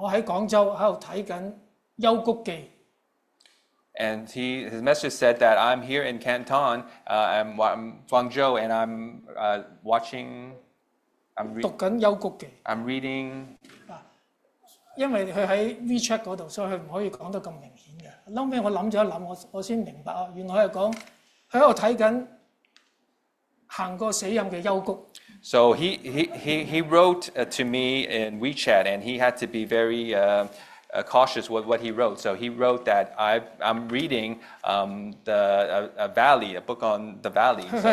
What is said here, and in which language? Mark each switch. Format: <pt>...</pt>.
<zh>他寫了一句話,他說,我在廣州在看《幽谷記》.</zh> <en>And his message said that I'm here in Canton, I'm Guangzhou, and I'm watching, I'm reading.</en> <zh>因為他在 WeChat 那裡,所以他不可以說得那麼明顯的. 後來我想了一想,我才明白,原來他是說, 他在看行過死蔭的幽谷.</zh> <en>So he wrote to me in WeChat, and he had to be very cautious with what he wrote. So he wrote that I'm reading a valley, a book on the valley.</en>